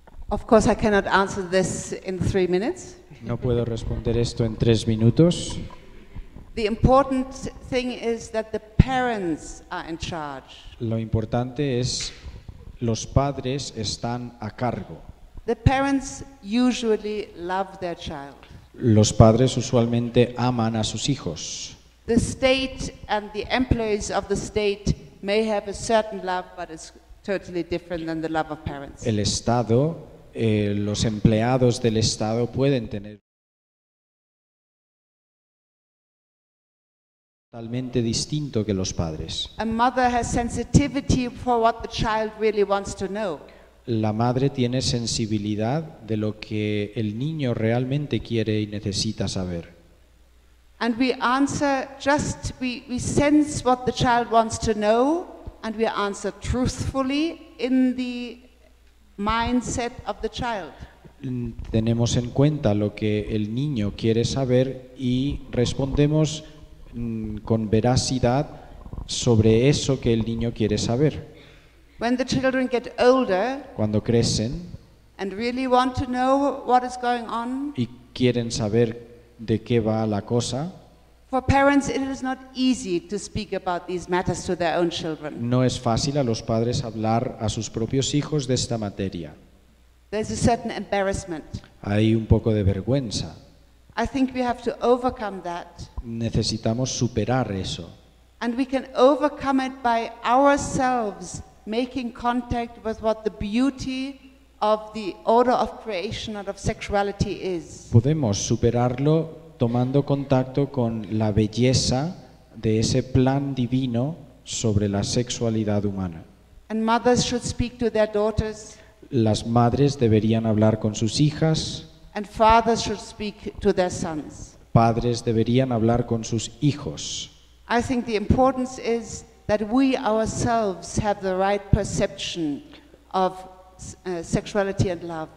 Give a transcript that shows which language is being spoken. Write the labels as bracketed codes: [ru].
[en] Of course, I cannot answer this in 3 minutes. [es] No puedo responder esto en 3 minutos. [en] The important thing is that the parents are in charge. [es] Lo importante es los padres están a cargo. [en] The parents usually love their child. [es] Los padres usualmente aman a sus hijos. [en] The state and the employees of the state may have a certain love, but it's totally different than the love of parents. [es] El Estado, los empleados del Estado pueden tener totalmente distinto que los padres. [en] A mother has sensitivity for what the child really wants to know. [es] La madre tiene sensibilidad de lo que el niño realmente quiere y necesita saber. [en] And we answer just we sense what the child wants to know, and we answer truthfully in the mindset of the child. [es] Tenemos en cuenta lo que el niño quiere saber y respondemos con veracidad sobre eso que el niño quiere saber. [en] When the children get older, [es] cuando crecen, [en] and really want to know what is going on, [es] y quieren saber de qué va la cosa. [en] For parents, it is not easy to speak about these matters to their own children. [es] No es fácil a los padres hablar a sus propios hijos de esta materia. [en] There's a certain embarrassment. [es] Hay un poco de vergüenza. [en] I think we have to overcome that. [es] Necesitamos superar eso. [en] And we can overcome it by ourselves making contact with what the beauty of the order of creation and of sexuality is. [es] Podemos superarlo tomando contacto con la belleza de ese plan divino sobre la sexualidad humana. [en] And mothers should speak to their daughters. [es] Las madres deberían hablar con sus hijas. [en] And fathers should speak to their sons. [es] Padres deberían hablar con sus hijos. [en] I think the importance is that we ourselves have the right perception of sexuality and love.